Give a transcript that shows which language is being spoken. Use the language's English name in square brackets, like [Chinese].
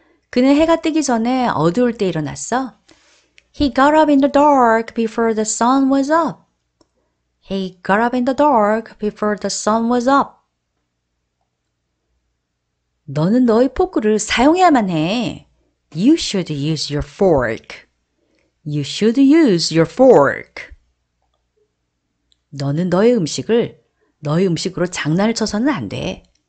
[Korean] 그는 해가 뜨기 전에 어두울 때 일어났어. [English] He got up in the dark before the sun was up. He got up in the dark before the sun was up. [Korean] 너는 너의 포크를 사용해야만 해. [English] You should use your fork. You should use your fork. [Korean] 너는 너의 음식으로 장난을 쳐서는 안 돼.